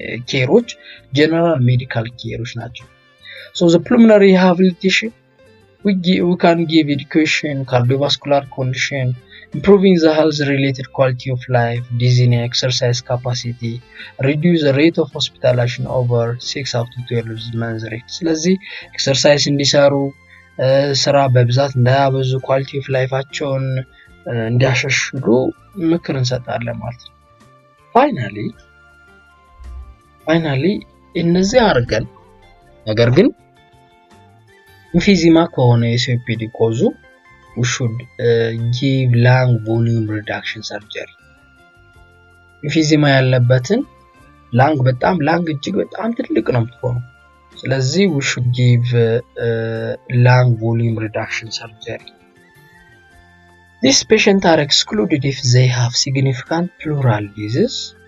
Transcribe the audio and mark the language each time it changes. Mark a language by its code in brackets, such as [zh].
[am] ኬሮች ጀነራል ሜዲካል ኬሮች ናቸው። [en] So the pulmonary rehabilitation, we can give education, cardiovascular condition, improving the health related quality of life, dizziness, exercise capacity, reduce the rate of hospitalization over 6 out of 12 months rate. [am] ስለዚህ exercise እንዲሰሩ ስራ በብዛት እንዳያበዙ [en] quality of life [am] አቸውን እንዲያሻሽሉ ምክር እንሰጣለን ማለት ነው። Finally እነዚህ አርገን ነገር ግን ኢንፊዚማ ከሆነ የሲኦፒዲ ኮዙ [en] we should give lung volume reduction surgery. [am] ኢንፊዚማ ያለበትን lung በጣም lung እጅግ በጣም ትልቅ ነው የምትሆነው። ስለዚህ [en] we should give lung volume reduction surgery. These patients are excluded if they have significant pleural disease.